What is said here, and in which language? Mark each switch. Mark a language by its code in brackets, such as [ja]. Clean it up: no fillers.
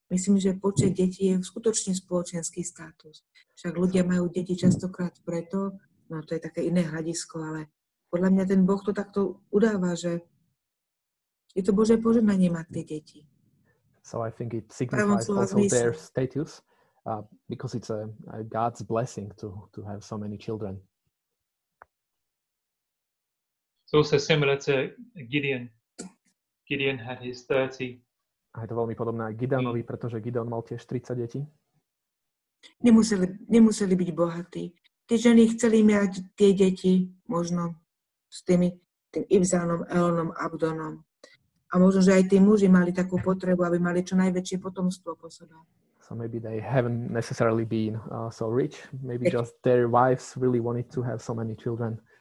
[sk] Myslím, že počet detí je skutočne spoločenský status. Však ľudia majú deti častokrát preto, no to je také iné hľadisko, ale podľa mňa ten Boh to takto udáva, že je to Božie požehnanie mať tie deti. [en] So I think it signifies also their status, because it's a God's blessing to have so many children. It's also similar to Gideon. Gideon had his 30. [sk] A je to veľmi podobné aj Gideonovi, pretože Gideon mal tiež 30 detí. Nemuseli byť bohatí. Tí ženy chceli mať tie deti, možno s tým Ibzánom, Elonom, Abdonom. A možno, že aj tí muži mali takú potrebu, aby mali čo najväčšie potomstvo po sebe. [en] So maybe they haven't necessarily been so rich. Maybe just their wives really wanted to have so many children.